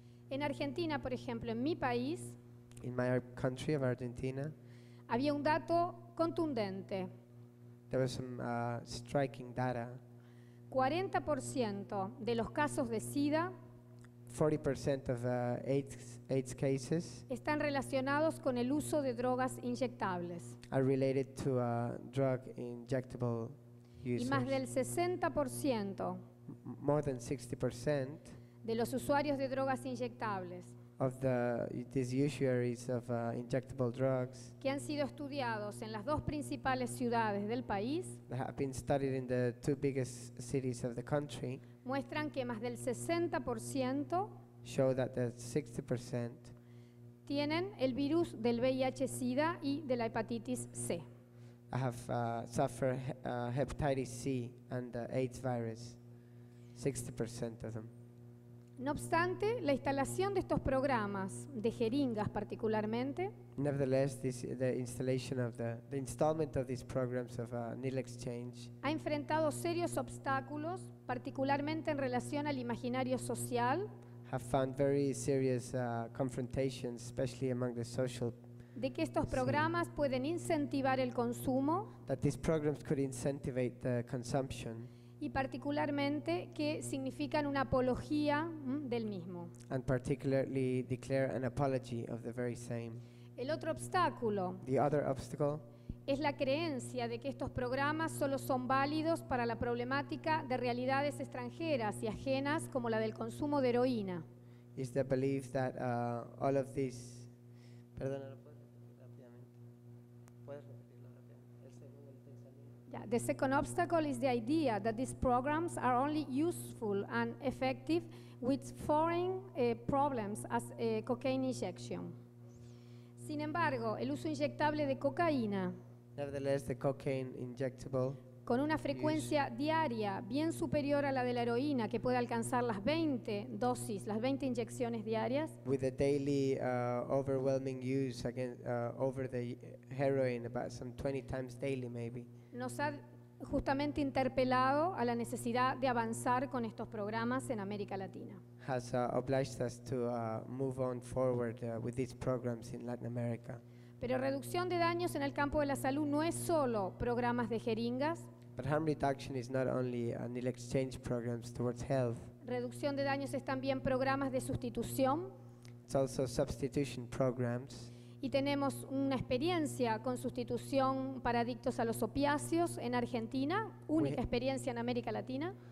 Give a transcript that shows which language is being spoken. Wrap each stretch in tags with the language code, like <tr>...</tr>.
<es>En Argentina, por ejemplo, en mi país,</es> <en>in my country of Argentina,</en> <es>había un dato contundente.</es> <en>There was some striking data.</en> <es>40% de los casos de SIDA,</es> <en>40% of AIDS cases,</en> <es>están relacionados con el uso de drogas inyectables.</es> <en>Are related to drug injectable users.</en> <es>Y más del 60%,</es> <en>more than 60%,</en> <es>de los usuarios de drogas inyectables,</es> <en>of these usuaries of injectable drugs,</en> <es>que han sido estudiados en las dos principales ciudades del país,</es> <en>have been studied in the two biggest cities of the country,</en> <es>muestran que más del 60%,</es> <en>show that the 60%</en> <es>tienen el virus del VIH-Sida y de la hepatitis C.</es> <en>Hepatitis C and AIDS virus, 60% of them.</en> <es>No obstante, la instalación de estos programas, de jeringas particularmente,</es> <en>nevertheless, the installation of the installment of these programs of needle exchange,</en> <es>ha enfrentado serios obstáculos, particularmente en relación al imaginario social,</es> <en>have found very serious confrontations, especially among the social,</en> <es>de que estos programas pueden incentivar el consumo,</es> <en>that these programs could incentivate the consumption,</en> <es>y particularmente que significan una apología del mismo.</es> <en>And particularly declare an apology of the very same.</en> <es>El otro obstáculo,</es> <en>the other obstacle,</en> <es>es la creencia de que estos programas solo son válidos para la problemática de realidades extranjeras y ajenas como la del consumo de heroína.</es> <en>Is the belief that all of these,</en> <es>perdón,</es> <en>yeah, the second obstacle is the idea that these programs are only useful and effective with foreign problems as a cocaine injection.</en> <es>Sin embargo, el uso inyectable de cocaína,</es> <en>nevertheless, the cocaine injectable,</en> <es>con una frecuencia diaria bien superior a la de la heroína, que puede alcanzar las 20 dosis, las 20 inyecciones diarias,</es> <en>with a daily overwhelming use again over the heroin, about some 20 times daily maybe,</en> <es>nos ha justamente interpelado a la necesidad de avanzar con estos programas en América Latina.</es> <en>Has obliged us to move on forward with these programs in Latin America.</en> <es>Pero reducción de daños en el campo de la salud no es solo programas de jeringas.</es> <en>But harm reduction is not only needle exchange programs towards health.</en> <es>Reducción de daños es también programas de sustitución.</es> <en>It's also substitution programs.</en> <es>Y tenemos una experiencia con sustitución para adictos a los opiáceos en Argentina, única experiencia en América Latina.</es>